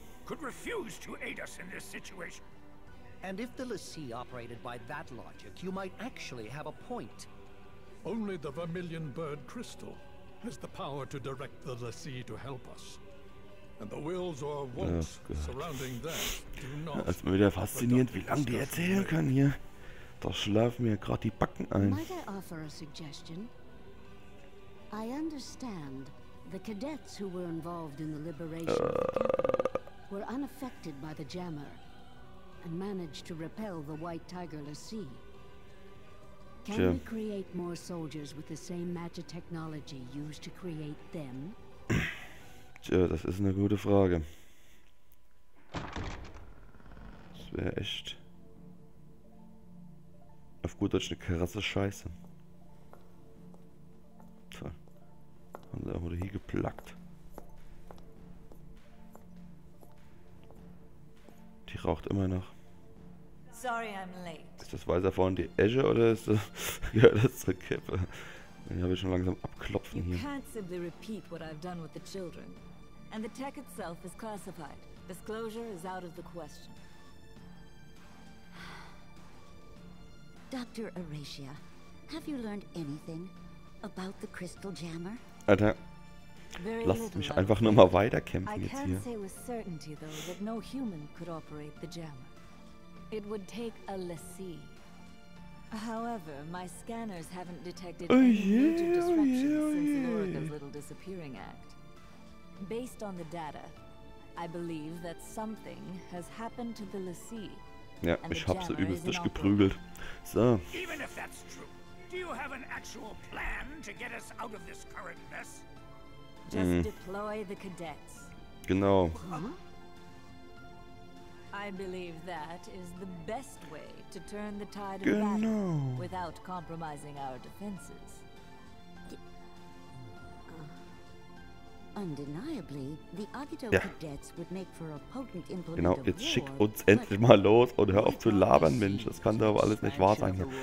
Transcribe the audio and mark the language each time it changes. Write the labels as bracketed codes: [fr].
[en] Could refuse to aid us in this situation. And if the Lassie operated by that logic, you might actually have a point. Only the Vermilion Bird Crystal has the power to direct the Lassie to help us. And the wills or wants surrounding that do not. [de] Das ist mir wieder faszinierend, wie lange die erzählen können hier. Da schlafen mir gerade die Backen ein. [en] Might I offer a suggestion? I understand the cadets who were involved in the liberation were unaffected by the jammer and managed to repel the White Tiger Lassie. Can we create more soldiers with the same magic technology used to create them? [de] Tja, das ist eine gute Frage. Das wäre echt auf gut Deutsch eine krasse Scheiße. So. Und da wurde hier geplackt. Die raucht immer noch. [en] Sorry, I'm late. [de] Ist das Weißer vorne die Esche oder ist das, ja, das ist eine Kippe? Dann habe ich schon langsam abklopfen hier. [en] You can't simply repeat what I've done with the children. And the tech itself is classified. Disclosure is out of the question. Dr. Aracia, have you learned anything about the crystal jammer? [de] Alter, lass mich einfach nur mal weiterkämpfen jetzt hier. [en] I can't say with certainty though that no human could operate the jammer. It would take a lassie. However, my scanners haven't detected any major disruptions since Lorica's little disappearing act. Based on the data, I believe that something has happened to the lassie. [de] Ja, ich hab sie übelst durchgeprügelt. So. [en] Even if that's true, do you have an actual plan to get us out of this current mess? Just deploy the cadets. [de] Genau. [en] I believe that is the best way to turn the tide of battle without compromising our defenses. Undeniably, the Agito cadets would make for a potent implement. [de] Genau, jetzt schick uns endlich mal los und hör auf zu labern, Mensch. Das kann doch alles nicht wahr sein.